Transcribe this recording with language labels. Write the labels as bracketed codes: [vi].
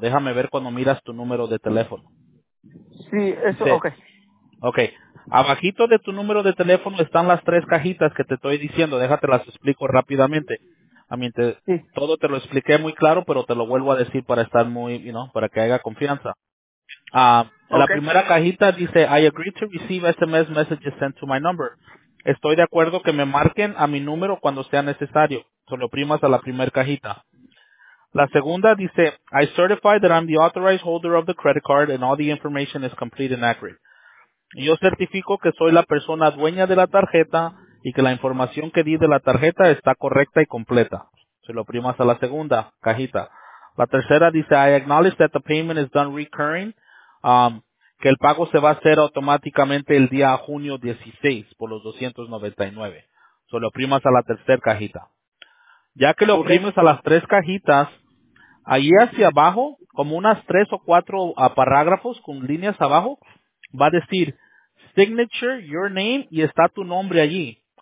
[es] Déjame ver cuando miras tu número de teléfono. Sí, eso, sí. Ok. Abajito de tu número de teléfono están las tres cajitas que te estoy diciendo. Déjate las explico rápidamente. A mí sí. Todo te lo expliqué muy claro, pero te lo vuelvo a decir para estar muy, you know, para que haya confianza. La primera cajita dice, [en] I agree to receive SMS messages sent to my number. [es] Estoy de acuerdo que me marquen a mi número cuando sea necesario. Solo oprimas a la primera cajita. La segunda dice, [en] I certify that I'm the authorized holder of the credit card and all the information is complete and accurate. [es] Yo certifico que soy la persona dueña de la tarjeta y que la información que di de la tarjeta está correcta y completa. Solo oprimas a la segunda cajita. La tercera dice, [en] I acknowledge that the payment is done recurring. [es] Que el pago se va a hacer automáticamente el día junio 16 por los 299. Solo oprimas a la tercera cajita. Ya que lo oprimes a las tres cajitas, ahí hacia abajo, como unas tres o cuatro parágrafos con líneas abajo, va a decir signature, your name, y está tu nombre allí.